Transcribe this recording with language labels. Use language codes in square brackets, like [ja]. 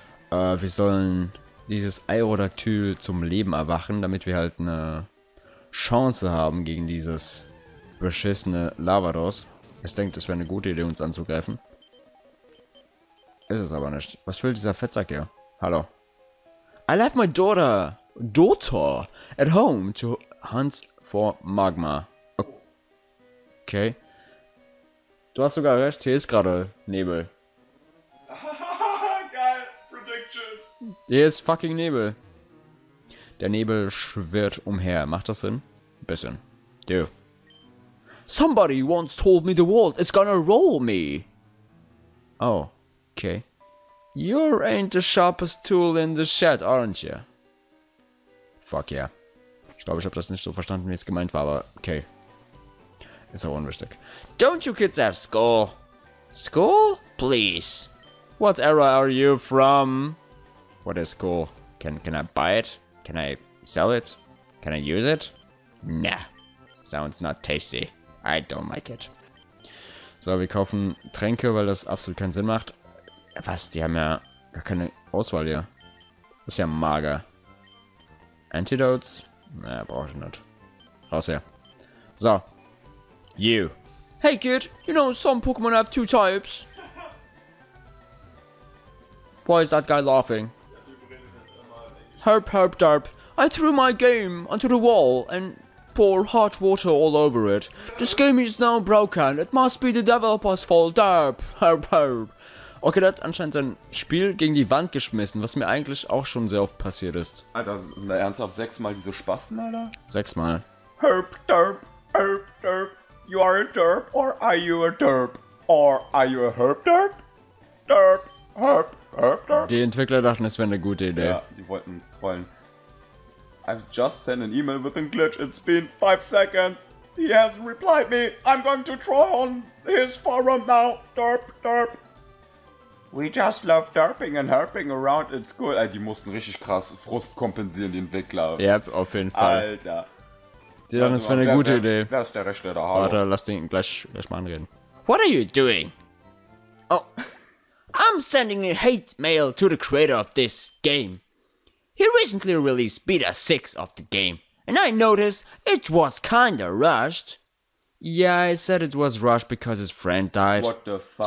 [de] Wir sollen dieses Aerodactyl zum Leben erwachen, damit wir halt eine Chance haben gegen dieses beschissene Lavados. Ich denke, das wäre eine gute Idee, uns anzugreifen. Ist es aber nicht. Was will dieser Fettsack hier? Hallo. [en] I left my daughter at home to hunt for magma. Okay. [de] Du hast sogar recht, hier ist gerade Nebel. Geil, Prediction. Hier ist [en] fucking [de] Nebel. Der Nebel schwirrt umher. Macht das Sinn? Bisschen. Du. [en] Somebody once told me the world is gonna roll me. Oh, okay. You ain't the sharpest tool in the shed, aren't you? Fuck yeah. [de] Ich glaube, ich habe das nicht so verstanden, wie es gemeint war, aber okay. Ist aber unwichtig. [en] Don't you kids have school? School? Please. What era are you from? What is school? Can I buy it? Can I sell it? Can I use it? Nah. Sounds not tasty. I don't like it. [de] So, wir kaufen Tränke, weil das absolut keinen Sinn macht. Was? Die haben ja gar keine Auswahl hier. Das ist ja mager. Antidotes? Naja, brauche ich nicht. Raus her. So. You. [en] Hey Kid, you know some Pokémon have two types. Why is that guy laughing? Herp, herp, derp. I threw my game onto the wall and poured hot water all over it. This game is now broken. It must be the developer's fault. Derp, herp, herp. [de] Okay, der hat anscheinend sein Spiel gegen die Wand geschmissen, was mir eigentlich auch schon sehr oft passiert ist. Alter, sind da ernsthaft 6-mal diese Spasten, Alter? 6-mal. Herp, derp, herp, derp. [en] You are a derp or are you a derp? Or are you a herp, derp? Derp, herp. [de] Die Entwickler dachten, es wäre eine gute Idee. Ja, die wollten uns trollen. [en] I've just sent an email with a glitch. It's been 5 seconds. He hasn't replied me. I'm going to troll on his forum now. Derp, derp. We just love derping and herping around. It's cool. [de] Ey, die mussten richtig krass Frust kompensieren, die Entwickler. Ja, yep, auf jeden Fall. Alter. Die dachten, es wäre eine gute Idee. Wer ist der Rechte da? Warte, lass den gleich mal anreden. [en] What are you doing? Oh. I'm sending a hate mail to the creator of this game. He recently released beta 6 of the game, and I noticed it was kinda rushed. Yeah, I said it was rushed because his friend died. What the fuck?